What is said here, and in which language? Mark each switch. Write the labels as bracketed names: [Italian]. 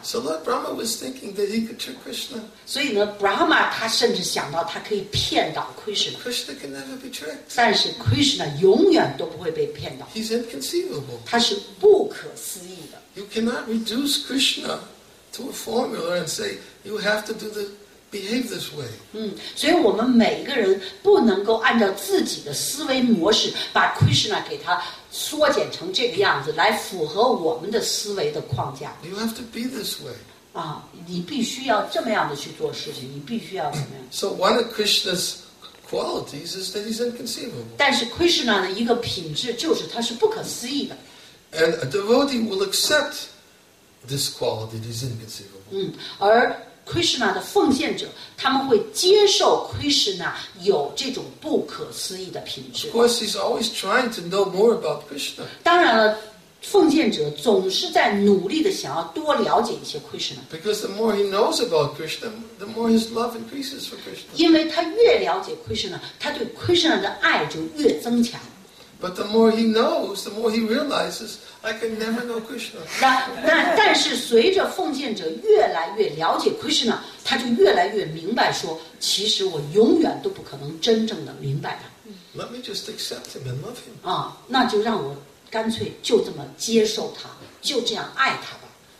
[English] So Lord Brahma was thinking that he could trick Krishna. [Chinese] 所以呢 ，Brahma 他甚至想到他可以骗到 Krishna。 [English] Krishna can never be tricked. [Chinese] 但是 Krishna 永远都不会被骗到。 [English] He's inconceivable. [Chinese] 他是不可思议的。 [English] You cannot reduce Krishna to a formula and say you have to do the behave this way. [Chinese] 所以我们每个人不能够按照自己的思维模式把 Krishna 给他。缩减成这个样子来符合我们的思维的框架。 [English] You have to be this way. [Chinese] 你必须要这么样的去做事情，你必须要怎么样 [English] ？So one of Krishna's qualities is that he's inconceivable. [Chinese] 但是 Krishna 的一个品质就是他是不可思议的。 [English] And a devotee will accept this quality that he's inconceivable. [Chinese] 而 Krishna 的奉献者他们会接受 Krishna 有这种不可思议的品质。 [English] Of course, he's always trying to know more about Krishna. [Chinese] 当然了，奉献者总是在努力的想要多了解一些 Krishna. [English] Because the more he knows about Krishna, the more his love increases for Krishna. [Chinese] 因为他越了解 Krishna, 他对 Krishna 的爱就越增强。 [English] But the more he knows, the more he realizes, I can never know Krishna. [Chinese] 那但是随着奉献者越来越了解 Krishna, 他就越来越明白说，其实我永远都不可能真正的明白他。 [English] Let me just accept him and love him. [Chinese] 那就让我干脆就这么接受他，就这样爱他吧。